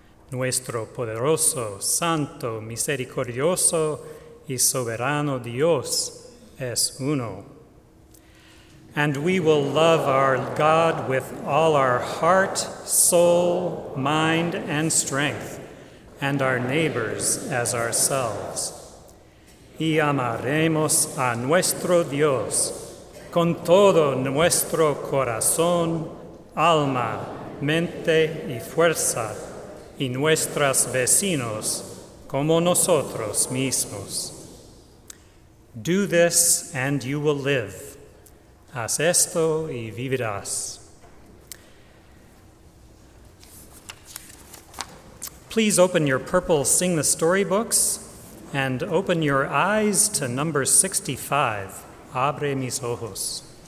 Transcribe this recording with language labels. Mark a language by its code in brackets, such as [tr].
[es] Nuestro poderoso, santo, misericordioso, y soberano Dios es uno. [en] And we will love our God with all our heart, soul, mind, and strength, and our neighbors as ourselves. [es] Y amaremos a nuestro Dios con todo nuestro corazón, alma, mente y fuerza, y nuestros vecinos como nosotros mismos. [en] Do this and you will live. [es] Haz esto y vivirás. [en] Please open your purple Sing the Story books and open your eyes to number 65, Abre mis ojos.